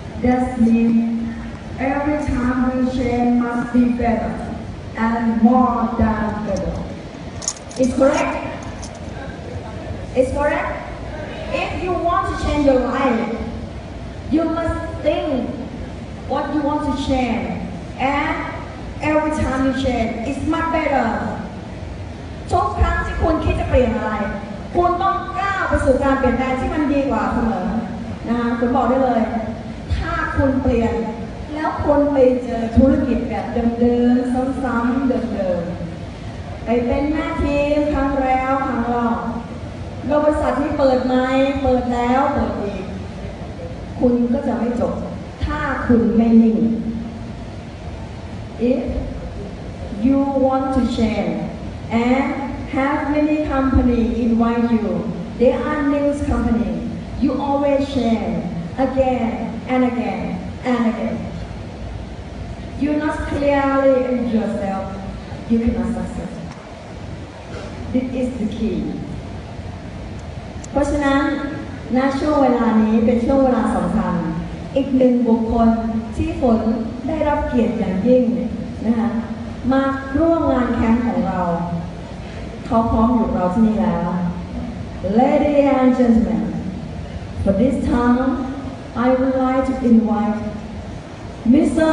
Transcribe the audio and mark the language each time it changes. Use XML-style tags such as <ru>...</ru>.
<en>That means every time we share must be better and more than better. It's correct? It's correct. If you want to change your life, you must think what you want to change. And every time you change, it's much better.</en> <th>ทุกครั้งที่คุณคิดจะเปลี่ยนอะไรคุณต้องก้าวไปสู่การเปลี่ยนแปลงที่มันดีกว่าเสมอนะคุณบอกได้เลยถ้าคุณเปลี่ยนแล้วคุณไปเจอธุรกิจแบบเดิมๆซ้ำๆเดิมๆไปเป็นหน้าที่ครั้งแล้วครั้งเล่า โรงบริษัทที่เปิดไหมเปิดแล้วเปิดอีกคุณก็จะไม่จบถ้าคุณไม่นิ่ง</th> <en>If you want to change and have many company invite you, they are new company. You always change again and again and again. You not clearly in yourself, you cannot succeed. This is the key.</en> <th>เพราะฉะนั้นณช่วงเวลานี้เป็นช่วงเวลาสำคัญอีกหนึ่งบุคคลที่ฝนได้รับเกียรติอย่างยิ่งนะคะมาร่วมงานแคมป์ของเราเขาพร้อมอยู่กับเราที่นี่แล้ว</th> <en>Ladies and gentlemen for this time I would like to invite Mr.</en>